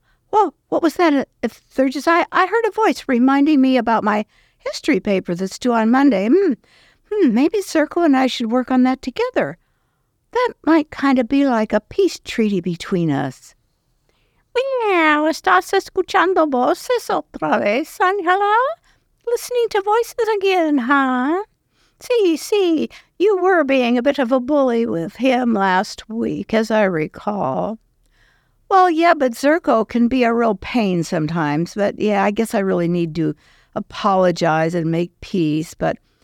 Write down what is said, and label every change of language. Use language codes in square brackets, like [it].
[en] Well, what was that, Thurgis? I heard a voice reminding me about my history paper that's due on Monday. Maybe Zirko and I should work on that together. That might kind of be like a peace treaty between us. [es] Well, estás escuchando voces otra vez, Angela? [en] Listening to voices again, huh? Sí, you were being a bit of a bully with him last week, as I recall. Well, yeah, but Zirko can be a real pain sometimes. But yeah, I guess I really need to apologize and make peace, but...